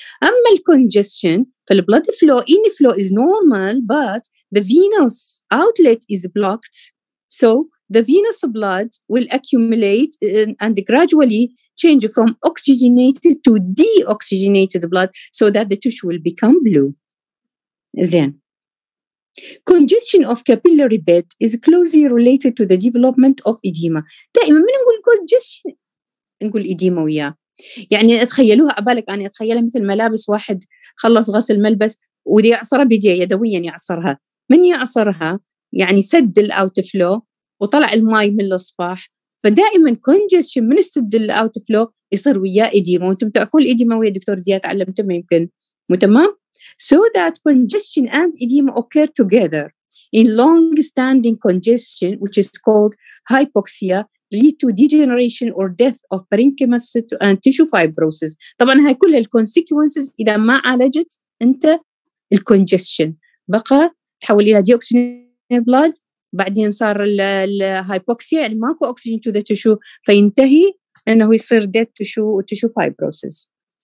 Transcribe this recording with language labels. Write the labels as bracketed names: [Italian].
[English] أما congestion فال blood flow inflow is normal but the venous outlet is blocked so the venous blood will accumulate and gradually change from oxygenated to deoxygenated blood so that the tissue will become blue. Then, congestion of capillary bed is closely related to the development of edema. [Arabic] دائما من نقول congestion نقول edema وياه. يعني اتخيلوها عبالك أنا اتخيلها مثل ملابس واحد خلص غسل ملبس ودي يعصرها بيديه يدويا يعصرها. من يعصرها يعني سد الاوت فلو وطلع الماي من الصفاح. فدائما congestion من السد الاوت فلو يصير وياه edema. وانتم تعرفون الإديما ويا دكتور زياد علمته ما يمكن متمام. [English] So that congestion and edema occur together in long-standing congestion, which is called hypoxia, lead to degeneration or death of parenchyma and tissue fibrosis. [Arabic] طبعاً هاي كلها consequences إذا ما عالجت أنت congestion. [English] بقى تحول إلى deoxygenated blood, [Arabic] بعدين صار [English] الhypoxia, [Arabic] يعني ماكو [English] oxygen to the tissue, [Arabic] فينتهي أنه يصير [English] death tissue or tissue fibrosis.